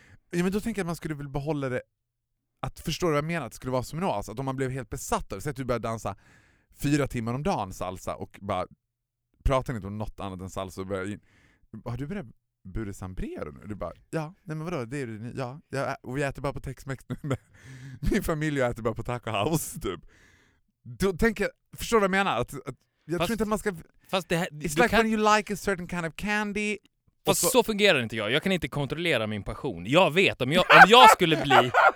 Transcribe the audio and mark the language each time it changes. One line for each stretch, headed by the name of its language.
Swedish: Ja, men då tänker jag att man skulle vilja behålla det, att förstå vad jag menar, att det skulle vara som en oas, att om man blev helt besatt av det, så att du började dansa 4 timmar om dagen salsa och bara pratar inte om något annat än salsa. Har du börjat bura sambrero nu? Du bara, ja, nej men vadå, det är det, ja, jag, och vi äter bara på Tex-Mex nu. Min familj äter bara på Taco House typ. Då tänker jag, förstår du vad jag menar? Jag tror inte att man ska... Fast det här,
English: it's like when you like a certain kind of candy.
Swedish: Fast så fungerar inte jag. Jag kan inte kontrollera min passion. Jag vet, om jag skulle bli...